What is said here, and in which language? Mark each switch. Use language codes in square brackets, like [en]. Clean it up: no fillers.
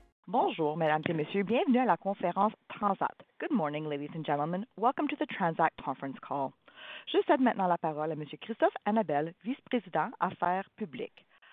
[fr] Bonjour, mesdames et messieurs. Bienvenue à la conférence Transat. [en] Good morning, ladies and gentlemen. Welcome to the Transat conference call. [fr] Je cède maintenant la parole à Monsieur Christophe Annabelle, vice-président affaires publiques.